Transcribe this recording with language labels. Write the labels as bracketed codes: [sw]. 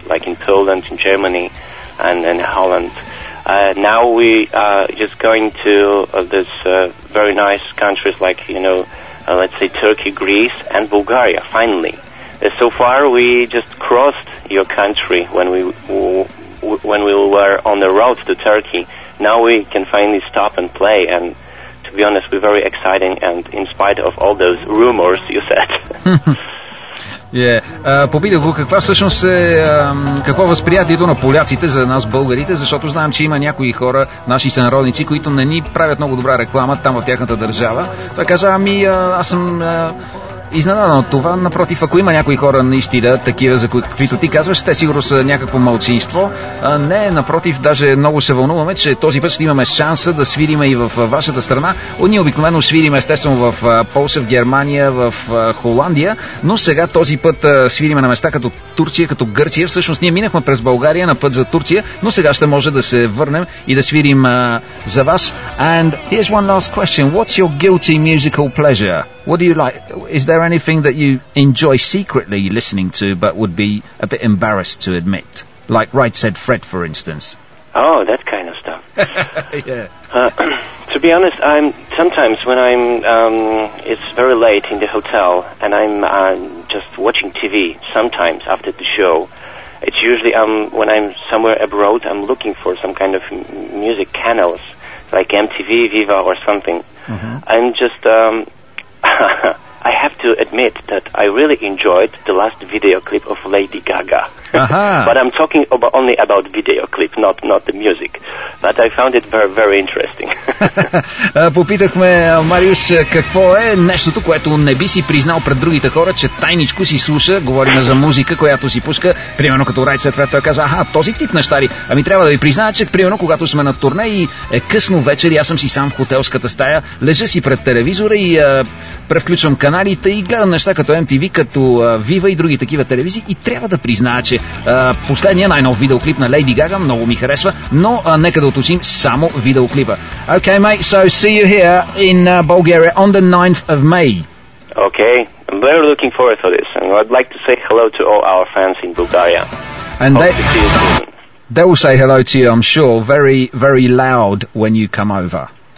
[en] Like in Poland, in Germany, and in Holland. Now we are just going to this very nice countries like, you know, let's say Turkey, Greece, and Bulgaria, finally. So far, we just crossed your country when we were on the road to Turkey. Now we can finally stop and play, and to be honest, we're very exciting, and in spite of all those rumors you said. Yeah. [bg] Попитах го каква всъщност е, какво възприятието на поляците за нас, българите, защото знам, че има някои хора, наши сънародници, които не ни правят много добра реклама там в тяхната държава. Той каза, аз съм изненадан от това. Напротив, ако има някои хора наистина такива, за които ти казваш, те сигурно са някакво малцинство. Не, напротив, даже много се вълнуваме, че този път ще имаме шанса да свириме и в вашата страна. Ние обикновено свириме естествено в Полша, в Германия, в Холандия, но сега този път свириме на места като Турция, като Гърция. Всъщност ние минахме през България на път за Турция, но сега ще може да се върнем и да свирим за вас. [en] And here's one last question. What's your guilty musical pleasure? What do you like? Is there anything that you enjoy secretly listening to but would be a bit embarrassed to admit? Like Right Said Fred, for instance. Oh, that kind of stuff. Yeah. To be honest, sometimes when I'm it's very late in the hotel and I'm just watching TV sometimes after the show, it's usually when I'm somewhere abroad, I'm looking for some kind of music channels like MTV, Viva or something. Mm-hmm. I'm just... I have to admit that I really enjoyed the last video clip of Lady Gaga. Uh-huh. But I'm talking only about video clip, not the music. But I found it very, very interesting. [bg] Попитахме Мариус какво е нещото, което не би си признал пред другите хора, че тайничко си слуша, говорим за музика, която си пуска, примерно като Райт Сетфред, той казва, този тип неща ли? Ами трябва да ви призная, че примерно когато сме на турне и е късно вечер и аз съм си сам в хотелската стая, лежа си пред телевизора и превключвам каналите и гледам неща като MTV, като Viva и други такива телевизии и трябва да призная, че последния най-нов видеоклип на Lady Gaga много ми харесва, но нека да уточним само видеоклипа. [en] Okay, mate, so see you here in Bulgaria on the 9th of May. Okay, I'm very looking forward to this and I'd like to say hello to all our fans in Bulgaria. And they will say hello to you, I'm sure, very, very loud when you come over.